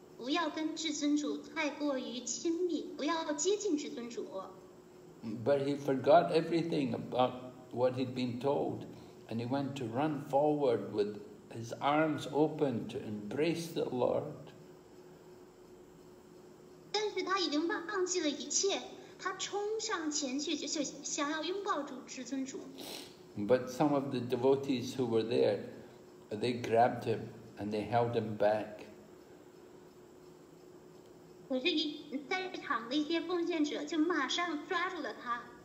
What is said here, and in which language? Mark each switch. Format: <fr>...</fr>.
<zh>不要跟至尊主太过于亲密，不要接近至尊主。</zh> <en>But he forgot everything about what he'd been told, and he went to run forward with his arms open to embrace the Lord.</en> <zh>但是他已经忘记了一切，他冲上前去就想要拥抱住至尊主。</zh> <en>But some of the devotees who were there, they grabbed him and they held him back.</en> <zh>可是在场的一些奉献者就马上抓住了他。</zh>